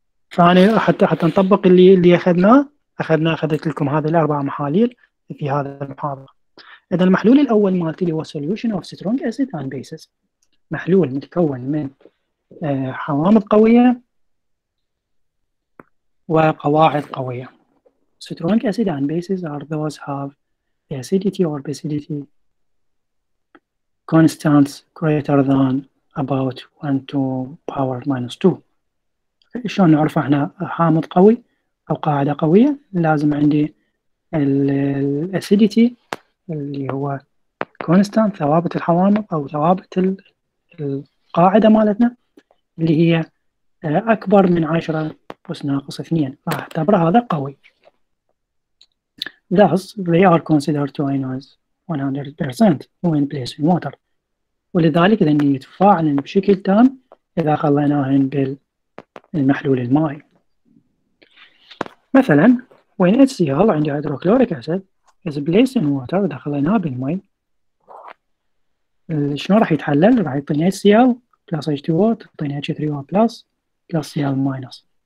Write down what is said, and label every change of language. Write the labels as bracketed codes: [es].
[ar] فأنا حتى نطبق اللي أخذت لكم هذه الأربع محاليل في هذا المحاضرة. إذا المحلول الأول مالتي اللي هو [en] solution of strong acid and bases، [ar] محلول متكون من حوامض قوية وقواعد قوية. [en] Strong acid and bases are those have the acidity or basicity constants greater than about 1 to power minus 2. [ar] شلون نعرف احنا حامض قوي او قاعدة قوية؟ لازم عندي الاسيديتي اللي هو كونستانت ثوابت الحوامض او ثوابت القاعدة مالتنا اللي هي اكبر من 10 اس ناقص 2، فاعتبر هذا قوي. [en] Thus they are considered to ionize 100% when placed in water. [ar] ولذلك إذا يتفاعل بشكل تام إذا خليناهن بالمحلول المائي. مثلا when HCl عندي [en] hydrochloric acid is placed in water، [ar] إذا خليناه بالماء شنو راح يتحلل؟ راح يعطيني HCl plus H2O تعطيني H3O plus plus Cl minus.